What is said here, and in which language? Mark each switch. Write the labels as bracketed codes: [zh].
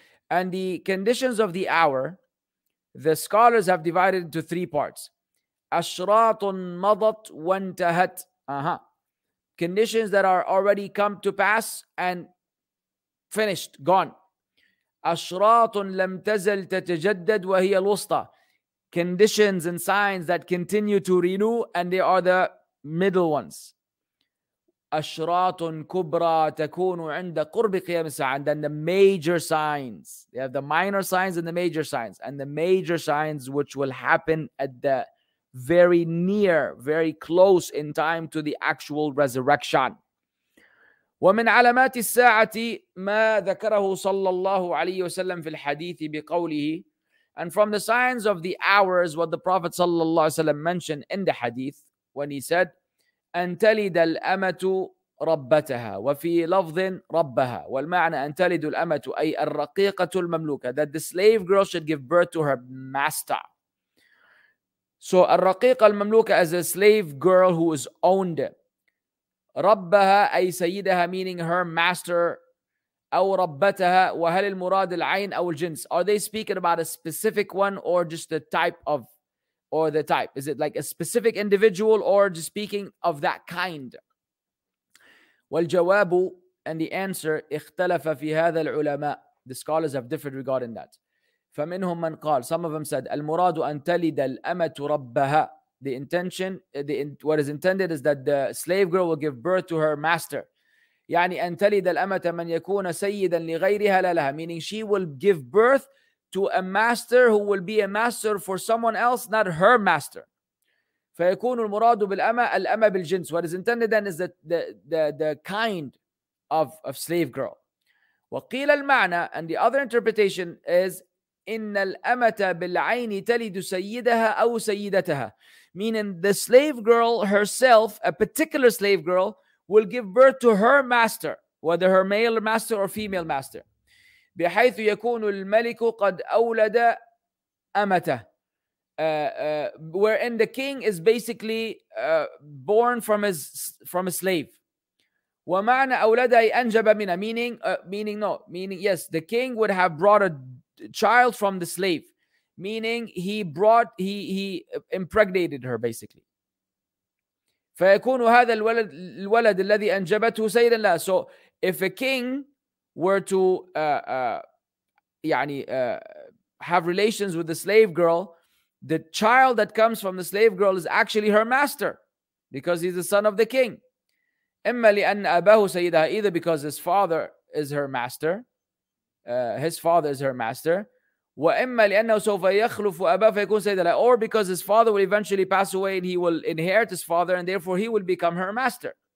[en] And the conditions of the hour, the scholars have divided into three parts. [ar] أشراطٌ مضت وانتهت. [en] Conditions that are already come to pass and finished, gone. [ar] أشراطٌ لم تزل تتجدد وهي الوسطى. [en] Conditions and signs that continue to renew, and they are the middle ones. [ar] أشراط كبرى تكون عند قرب قيام الساعة. [en] And then the major signs. They have the minor signs and the major signs. And the major signs which will happen at the very near, very close in time to the actual resurrection. [ar] ومن علامات الساعة ما ذكره صلى الله عليه وسلم في الحديث بقوله. [en] And from the signs of the hours, what the Prophet [ar] صلى الله عليه وسلم [en] mentioned in the hadith, when he said, [ar] أن تلد الأمة ربتها, وفي لفظ ربها, والمعنى أن تلد الأمة أي الرقيقة المملوكة, [en] that the slave girl should give birth to her master. So [ar] الرقيقة المملوكة [en] as a slave girl who is owned. [ar] ربها أي سيدها, [en] meaning her master, [ar] أو ربتها, وهل المراد العين أو الجنس. [en] Are they speaking about a specific one or just the type of, or the type? Is it like a specific individual or just speaking of that kind? [ar] والجواب, [en] and the answer, [ar] اختلف في هذا العلماء. [en] The scholars have differed regarding that. [ar] فمنهم من قال, [en] some of them said, [ar] المراد أن تلد الأمة ربها. [en] The intention, what is intended is that the slave girl will give birth to her master. [ar] يعني أن تلد الأمة من يكون سيدا لغيرها لا لها. [en] Meaning she will give birth to a master who will be a master for someone else, not her master. [ar] فيكون المراد بالأمة الأمة بالجنس. [en] What is intended then is that the kind of slave girl. [ar] وقيل المعنى, [en] and the other interpretation is, [ar] إن الأمة بالعين تلد سيدها أو سيدتها. [en] Meaning the slave girl herself, a particular slave girl, will give birth to her master, whether her male master or female master. [ar] بحيث يكون الملك قد أولد أمته. [en] Wherein the king is basically born from a slave. [ar] ومعنى أولد أي أنجب منه. [en] Meaning, the king would have brought a child from the slave. Meaning, he impregnated her basically. [ar] فيكون هذا الولد الذي أنجبته سيدا لها. [en] So, if a king were to have relations with the slave girl, the child that comes from the slave girl is actually her master because he's the son of the king. Either because his father is her master, or because his father will eventually pass away and he will inherit his father and therefore he will become her master.